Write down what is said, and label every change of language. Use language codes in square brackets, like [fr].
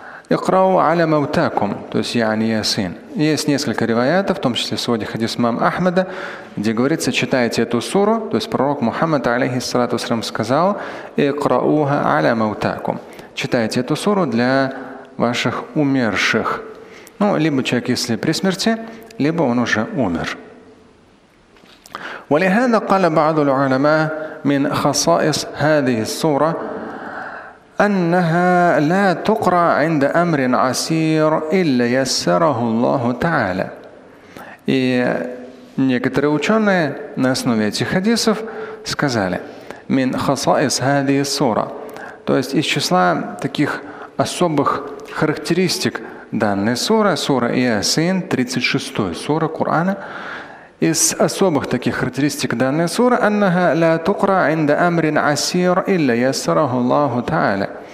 [ru] Икрау аля маутакум, то есть яни Ясин. Есть несколько риваятов, в том числе в своде хадис имам Ахмада, где говорится, читайте эту суру, то есть пророк Мухаммад, алейхи салату ассалям, сказал, [ar] икрауха аля маутакум. [ru] Читайте эту суру для ваших умерших. Ну, либо человек, если при смерти, либо он уже умер. [ar] Валихада каля бааду лу'алама мин хасаис хадихи сура, أنها لا تقرأ عند أمر عسير إلا يسره الله تعالى. [ru] И некоторые ученые на основе этих хадисов сказали, [ar] من خصائص هذه السورة, [ru] то есть из числа таких особых характеристик данной суры, сура Ясин, 36-й сура Корана, из особых таких характеристик данной суры, [ar] أنها لا تقرأ عند أمر عسير إلا يسره الله تعالى.